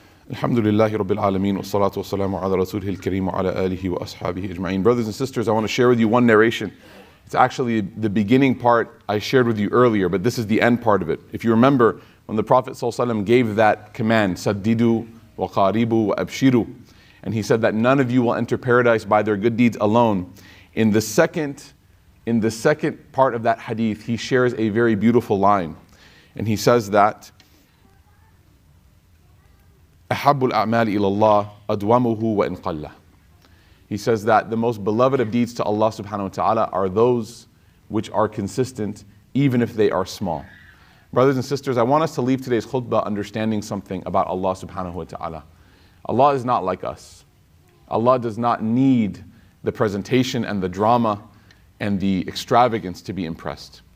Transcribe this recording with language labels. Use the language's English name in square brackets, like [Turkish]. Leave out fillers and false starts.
[Arabic] الحمد لله رب العالمين والصلاة والسلام على رسوله الكريم وعلى آله وأصحابه أجمعين. [English] Brothers and sisters, I want to share with you one narration. It's actually the beginning part I shared with you earlier, but this is the end part of it. If you remember, when the Prophet ﷺ gave that command, [Arabic] سددوا وقاربوا وأبشروا, [English] and he said that none of you will enter paradise by their good deeds alone. In the second part of that hadith, he shares a very beautiful line. And he says that, [Arabic] أحب الأعمال إلى الله أدومه وإن قل. [English] He says that the most beloved of deeds to Allah subhanahu wa ta'ala are those which are consistent, even if they are small. Brothers and sisters, I want us to leave today's khutbah understanding something about Allah subhanahu wa ta'ala. Allah is not like us. Allah does not need the presentation and the drama and the extravagance to be impressed.